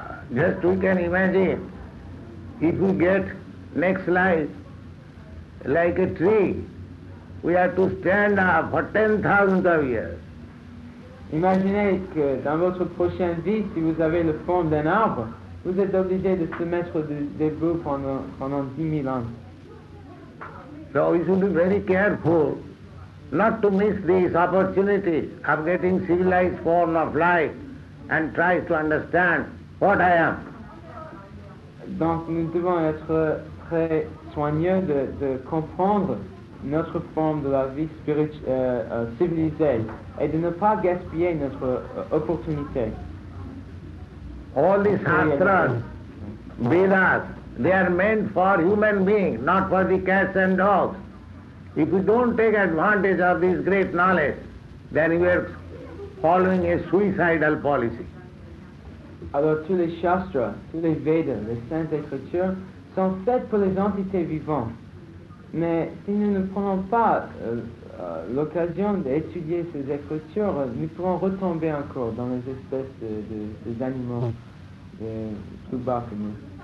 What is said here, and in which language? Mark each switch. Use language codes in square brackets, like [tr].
[en] Just we can imagine, if we get next life like a tree, we have to stand up for 10,000 of years. [fr] Imaginez que dans votre prochaine vie, si vous avez le fond d'un arbre, vous êtes obligé de se mettre debout pendant 10,000 ans. [en] So we should be very careful not to miss this opportunity of getting civilized form of life and try to understand what I am. [fr] Donc nous devons être très soigneux de comprendre notre forme de la vie civilisée et de ne pas gaspiller notre opportunité. [en] All these shastras, Vedas, they are meant for human beings, not for the cats and dogs. If you don't take advantage of this great knowledge, then you are following a suicidal policy. [fr] Alors tous les shastras, tous les Vedas, les saintes écritures sont faites pour les entités vivantes. Mais si nous ne prenons pas l'occasion d'étudier ces écritures, nous pourrons retomber encore dans les espèces des animaux plus bas que nous.